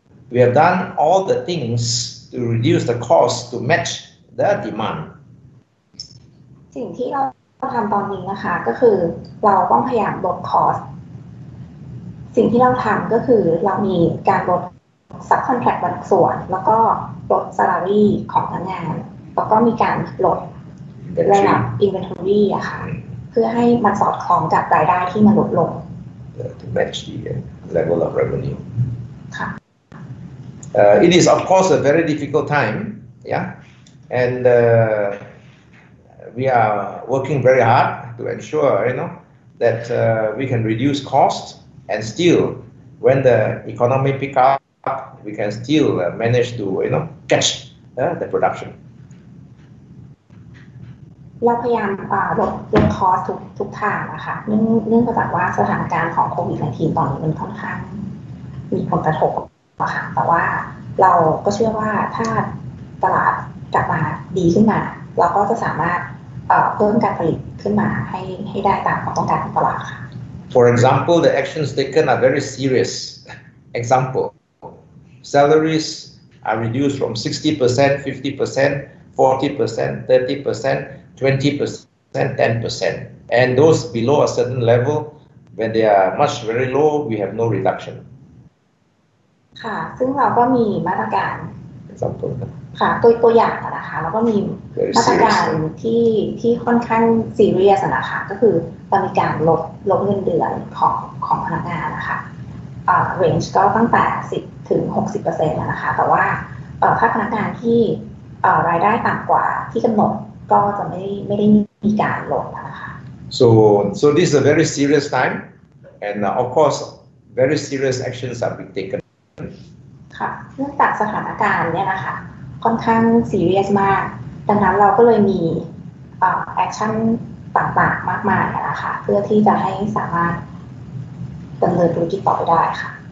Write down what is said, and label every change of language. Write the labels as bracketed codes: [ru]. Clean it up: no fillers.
[en] We have done all the things to reduce the cost to matchThe demand. [th] สิ่งที่เราทำตอนนี้นะคะก็คือเราต้องพยายามลดคอสสิ่งที่เราทำก็คือเรามีการลดซับคอนแทรคบางส่วนแล้วก็ลดซาลารีของพนักงานแล้วก็มีการลดระดับอินเวนทอรี่อะค่ะเพื่อให้มันสอดคล้องกับรายได้ที่มันลดลง [en] To match the level of revenue. [th] ค่ะ [en] It is of course a very difficult time. Yeah. And we are working very hard to ensure, you know, that we can reduce cost and still, when the economy pick up, we can still manage to, you know, catch the production. [th] เราพยายามลดคอสทุกทางนะคะเนื่องจากว่าสถานการณ์ของโควิด-19 ตอนนี้มันค่อนข้างมีผลกระทบนะคะแต่ว่าเราก็เชื่อว่าถ้าตลาดกลับมาดีขึ้นมาเราก็จะสามารถเพิ่มการผลิตขึ้นมาให้ได้ตามความต้องการของตลาดค่ะ [en] For example the actions taken are very serious example salaries are reduced from 60% 50% 40% 30% 20% 10% and those below a certain level when they are much very low we have no reduction [th] ค่ะซึ่งเราก็มีมาตรการ [en] example [th] ค่ะตัวอย่างนะคะแล้วก็มีมาตรการที่ค่อนข้างซีเรียสนะคะก็คือตอนมีการลดเงินเดือนของพนักงานนะคะเรนจ์ก็ตั้งแต่10ถึง 60% นะคะแต่ว่าค่าพนักงานที่รายได้ต่ำกว่าที่กำหนดก็จะไม่ได้มีการลดนะคะ [en] So this is a very serious time and of course very serious actions are being taken [th] ค่ะเนื่องจากสถานการณ์เนี่ยนะคะค่อนข้างซีเรียสมากดังนั้นเราก็เลยมีแอคชั่นต่างๆมากมายนะคะเพื่อที่จะให้สามารถดำเนินธุรกิจต่อได้ค่ะ